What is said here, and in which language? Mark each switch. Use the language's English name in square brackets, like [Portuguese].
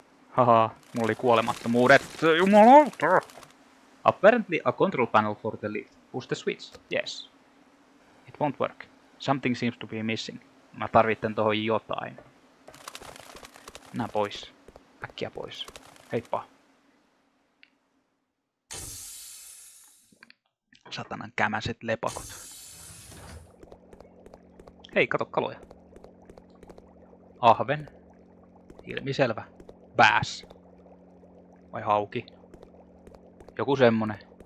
[Finnish] Haha, mulla oli kuolemattomuudet. Jumalauta! [English] Apparently a control panel for the lift. Push the switch. Yes. It won't work. Something seems to be missing. [Finnish] Mä tarvitsen tohon jotain. Nää pois. Äkkiä pois. Heippa. Satanan kämäset lepakot. Hei, kato kaloja. Ahven. Ilmiselvä. Bass. Vai hauki. Joku semmonen.